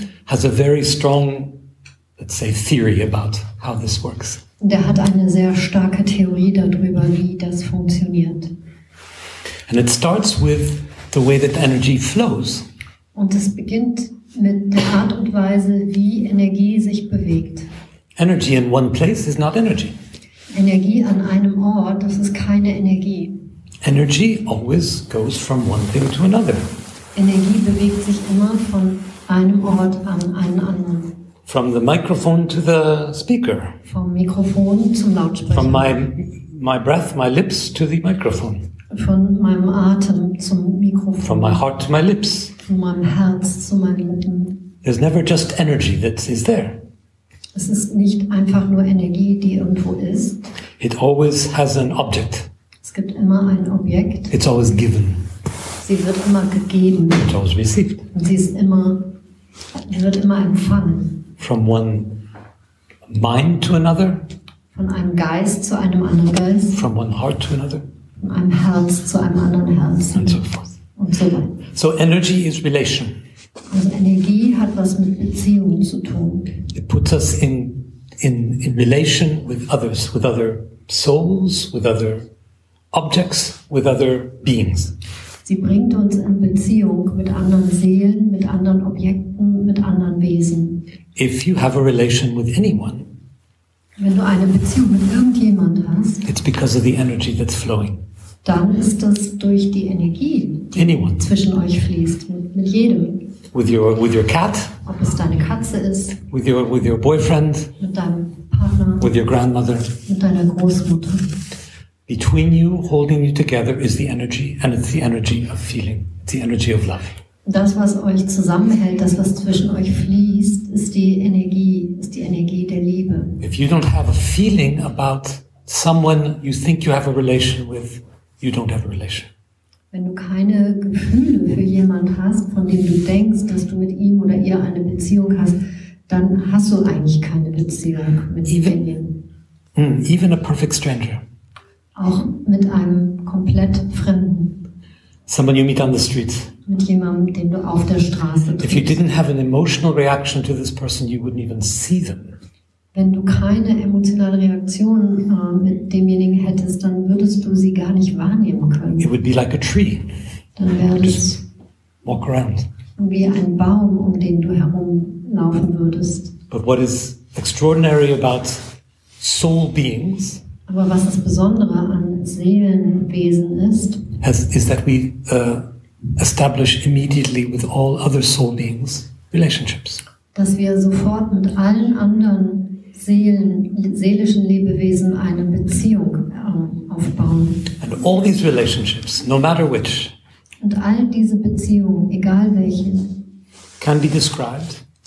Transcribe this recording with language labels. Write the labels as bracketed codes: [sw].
[en] Has a very strong, let's say, theory about how this works. [de] Der hat eine sehr starke Theorie darüber, wie das funktioniert. [en] And it starts with the way that energy flows. [de] Und es beginnt mit der Art und Weise, wie Energie sich bewegt. [en] Energy in one place is not energy. [de] Energie an einem Ort, das ist keine Energie. [en] Energy always goes from one thing to another. [de] Energie bewegt sich immer von einem Ort an einen anderen. [en] From the microphone to the speaker. [de] Vom Mikrofon zum Lautsprecher. [en] From my breath, my lips to the microphone. [de] Von meinem Atem zum Mikrofon. [en] From my heart to my lips. [de] Von meinem Herz zu meinen Lippen. [en] There's never just energy that is there. [de] Es ist nicht einfach nur Energie, die irgendwo ist. [en] It always has an object. [de] Es gibt immer ein Objekt. [en] It's always given. [de] Sie wird immer gegeben. [en] It's always received. [de] Und sie wird immer empfangen. [en] From one mind to another. [de] Von einem Geist zu einem anderen Geist. [en] From one heart to another. [de] Von einem Herz zu einem anderen Herz. [en] And so forth. [de] Und so weiter. [en] So energy is relation. [de] Also Energie hat was mit Beziehungen zu tun. [en] It puts us in relation with others, with other souls, with other objects, with other beings. [de] Sie bringt uns in Beziehung mit anderen Seelen, mit anderen Objekten, mit anderen Wesen. [en] If you have a relation with anyone, [de] wenn du eine Beziehung mit irgendjemand hast, [en] it's because of the energy that's flowing. [de] Dann ist das durch die Energie, die [en] anyone. [de] Zwischen euch fließt, mit jedem. [en] With your cat, [de] ob es deine Katze ist, [en] with your boyfriend, [de] mit deinem Partner, [en] with your grandmother, [de] mit deiner Großmutter. [en] Between you, holding you together, is the energy, and it's the energy of feeling, it's the energy of love. [de] Das, was euch zusammenhält, das, was zwischen euch fließt, ist die Energie der Liebe. [en] If you don't have a feeling about someone you think you have a relation with, you don't have a relation. [de] Wenn du keine Gefühle für jemand hast, von dem du denkst, dass du mit ihm oder ihr eine Beziehung hast, dann hast du eigentlich keine Beziehung mit jemandem. [en] Even a perfect stranger. [de] Auch mit einem komplett Fremden. [en] Someone you meet on the street. [de] Mit jemandem, den du auf der Straße triffst. [en] If you didn't have an emotional reaction to this person, you wouldn't even see them. [de] Wenn du keine emotionale Reaktion mit demjenigen hättest, dann würdest du sie gar nicht wahrnehmen können. [en] It would be like a tree. [de] Dann wäre es [en] walk around. [de] Wie ein Baum, um den du herumlaufen würdest. [en] But what is extraordinary about soul beings? [de] Aber was das Besondere an Seelenwesen ist, [en] is that we establish immediately with all other soul beings relationships. [de] Dass wir sofort mit allen anderen Seelen, seelischen Lebewesen eine Beziehung aufbauen. [en] And all these relationships, no matter which, [de] und all diese Beziehungen, egal welche, [en] can be described,